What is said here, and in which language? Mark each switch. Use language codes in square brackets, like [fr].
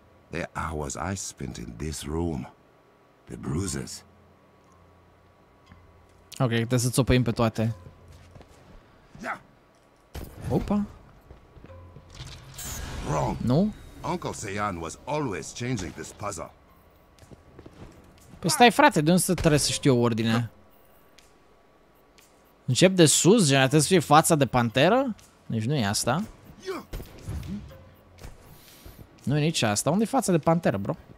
[en] The hours I spent in this room, the bruises. [ro] Ok, trebuie să țopăim pe toate. Opa. [en] Wrong. [ro] Nu? [en] Uncle Seyan was always changing this puzzle. [ro] Păi stai, frate, de unde să trebuie să știu ordine? Încep de sus, gen, trebuie să fie fața de panteră? Deci nu e asta. Nu e nici asta. Unde e fața de panteră, bro?